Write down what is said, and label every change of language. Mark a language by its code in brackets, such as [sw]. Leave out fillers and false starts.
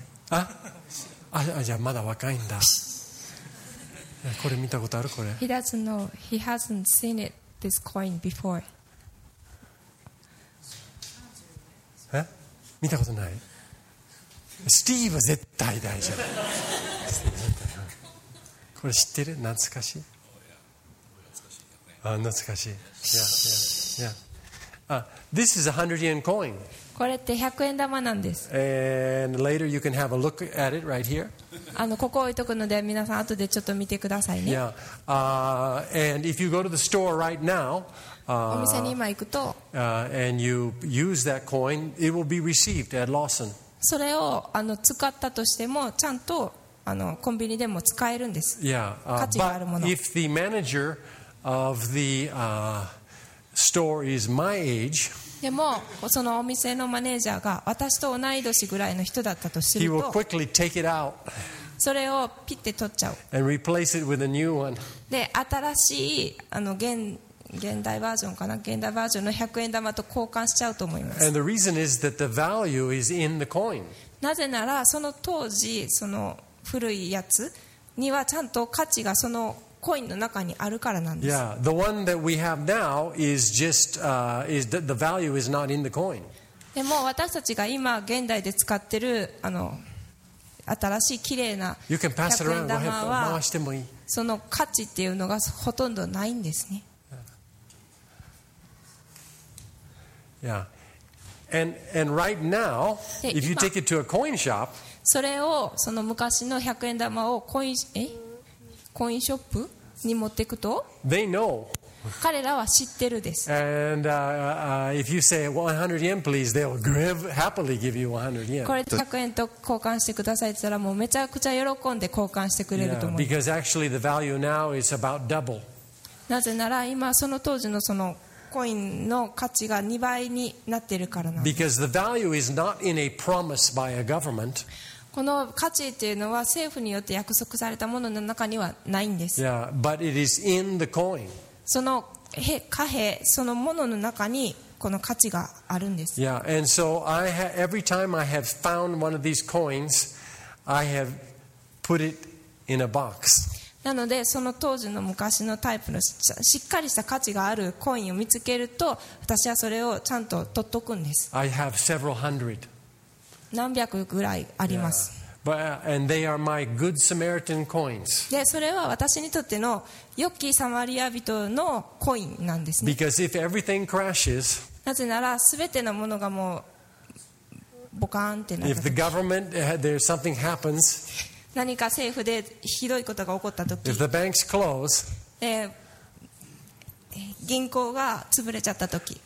[ja] あ、あ、じゃあまだ若いんだ。これ見たことある?これ。 [en] He doesn't know. He hasn't seen it, this coin before. [ja] え?見たことない? スティーブ絶対大丈夫。これ知ってる懐かしい懐かしい yeah, yeah, yeah. [en] This is a 100 yen coin. [ja] これって100円玉なんです。 [en] And later you can have a look at it right here. [ja] ここ置いとくので皆さん後でちょっと見てくださいね。 [en] Yeah. And if you go to the store right now, [ja] お店に今行くと、 [en] And you use that coin, it will be received at Lawson. [ja] それを使ったとしてもちゃんとコンビニでも使えるんです。 [en] Yeah, [ja] 価値があるもの。 [en] If the manager of the store is my age, [ja] でもそのお店のマネージャーが私と同い年ぐらいの人だったとすると、 [en] he will quickly take it out. [ja] それをピッて取っちゃう。 [en] And replace it with a new one. [ja] で新しい現代バージョンかな現代バージョンの100円玉と交換しちゃうと思います。 [en] And the reason is that the value is in the coin. [ja] なぜならその当時その古いやつにはちゃんと価値がそのコインの中にあるからなんです。 [en] Yeah, the one that we have now is just, is that the value is not in the coin. [ja] でも私たちが今現代で使ってる新しい綺麗な100円玉は、その価値っていうのがほとんどないんですね。 [en] Yeah. And right now, if you take it to a coin shop, [ja] それをその昔の100円玉をコインショップに持っていくと、 [en] they know. [ja] 彼らは知ってるです。 [en] And if you say 100 yen please, they'll give, happily give you 100 yen. [ja] これ100円と交換してくださいって言ったら、もうめちゃくちゃ喜んで交換してくれると思う。 [en] Because actually the value now is about double. [ja] なぜなら今その当時のそのコインの価値が2倍になってるからなんです。 [en] Because the value is not in a promise by a government. [ja] この価値というのは政府によって約束されたものの中にはないんです。 [en] Yeah, but it is in the coin. [ja] その貨幣、そのものの中にこの価値があるんです。 [en] Yeah, and so I have, every time I have found one of these coins, I have put it in a box. [ja] なのでその当時の昔のタイプのしっかりした価値があるコインを見つけると、私はそれをちゃんと取っとくんです。 [en] I have several hundred. [ja] 何百ぐらいあります。 [en] Yeah. But, and they are my good Samaritan coins. [ja] で、それは私にとっての良きサマリア人のコインなんですね。 [en] Because if everything crashes, [ja] なぜなら全てのものがもうボカーンってなった時。 [en] If the government, there's something happens, [ja] 何か政府でひどいことが起こった時。 [en] If the banks close, [ja] 銀行が潰れちゃった時。